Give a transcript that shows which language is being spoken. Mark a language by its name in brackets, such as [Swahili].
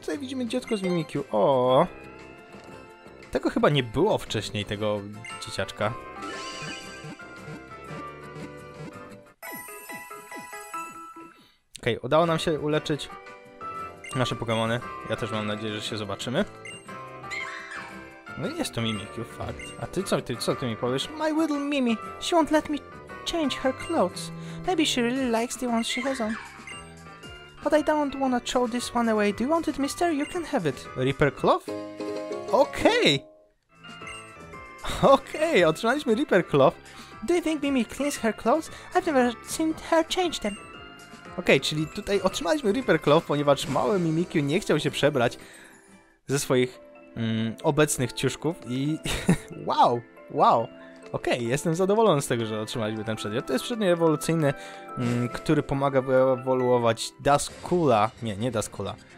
[Polish] Tutaj widzimy dziecko z Mimikyu. O, tego chyba nie było wcześniej, tego dzieciaczka. Okej, okay, udało nam się uleczyć nasze Pokémony. Ja też mam nadzieję, że się zobaczymy. No jest to Mimikyu, fakt. A ty co, ty mi powiesz? [English] My little Mimi, she won't let me change her clothes. Maybe she really likes the ones she has on. But I don't wanna throw this one away. Do you want it, mister? You can have it. [Polish] Reaper Claw? Okej! Okej, otrzymaliśmy Reaper Claw. [English] Do you think Mimi cleans her clothes? I've never seen her change them. [Polish] Okej, czyli tutaj otrzymaliśmy Reaper Claw, ponieważ mały Mimikyu nie chciał się przebrać ze swoich obecnych ciuszków i... wow! Wow! Okej, okay, jestem zadowolony z tego, że otrzymaliśmy ten przedmiot. To jest przedmiot ewolucyjny, który pomaga wyewoluować Duskula. Nie, nie Duskula.